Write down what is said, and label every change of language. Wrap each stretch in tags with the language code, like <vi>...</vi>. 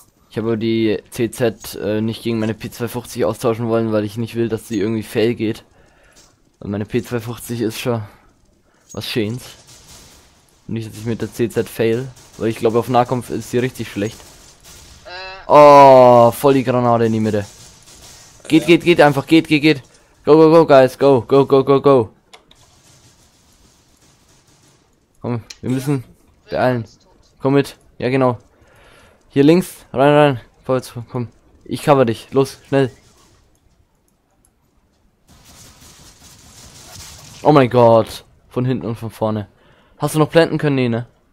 <de>Ich habe die CZ nicht gegen meine P250 austauschen wollen, weil ich nicht will, dass sie irgendwie fail geht. Weil meine P250 ist schon was Schönes. Nicht, dass ich mit der CZ fail, weil ich glaube, auf Nahkampf ist sie richtig schlecht. Oh, voll die Granate in die Mitte. Geht, geht, geht, einfach, geht, geht, geht.</de> <en>Go, go, go, guys, go, go, go, go, go.</en> <de>Komm, wir müssen beeilen. Komm mit, ja genau. Hier links, rein, rein, vorwärts, komm. Ich cover dich, los, schnell. Oh mein Gott, von hinten und von vorne. Hast du noch planten können, nee, ne?</de>